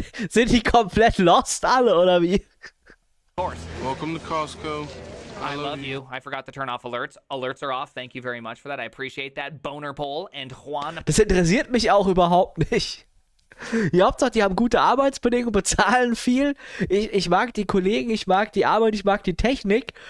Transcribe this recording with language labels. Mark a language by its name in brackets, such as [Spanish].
[German] Sind die komplett lost alle oder wie? [English] Of course. Welcome to Costco. I love you. I forgot to turn off alerts. Alerts are off. Thank you very much for that. I appreciate that. Boner poll and Juan. [German] Das interessiert mich auch überhaupt nicht. Die Hauptsache, die haben gute Arbeitsbedingungen, bezahlen viel. Ich mag die Kollegen, ich mag die Arbeit, ich mag die Technik.